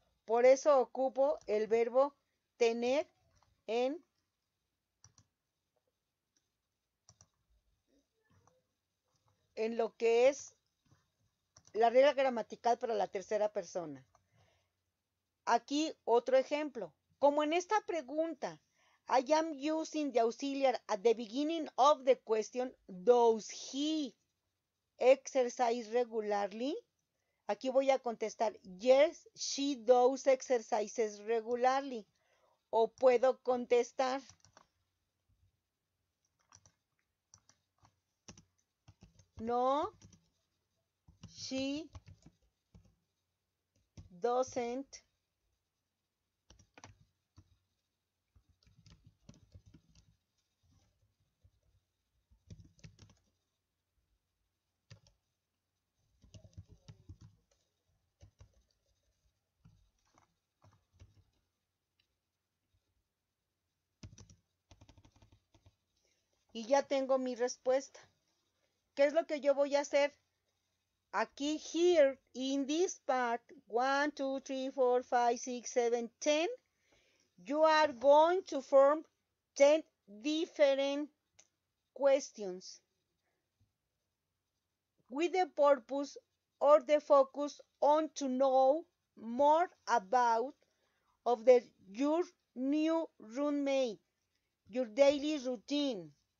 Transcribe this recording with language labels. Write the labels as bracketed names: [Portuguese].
[Spanish] Por eso ocupo el verbo tener en lo que es la regla gramatical para la tercera persona. Aquí otro ejemplo. Como en esta pregunta, [English] I am using the auxiliar at the beginning of the question, does he exercise regularly? [Spanish] Aquí voy a contestar, [English] yes, she does exercises regularly. [Spanish] O puedo contestar, [English] no, she doesn't [Spanish] y ya tengo mi respuesta. ¿Qué es lo que yo voy a hacer? Aquí, [English] here, in this part, 1, 2, 3, 4, 5, 6, 7, 10, you are going to form 10 different questions with the purpose or the focus on to know more about of the your new roommate, your daily routine.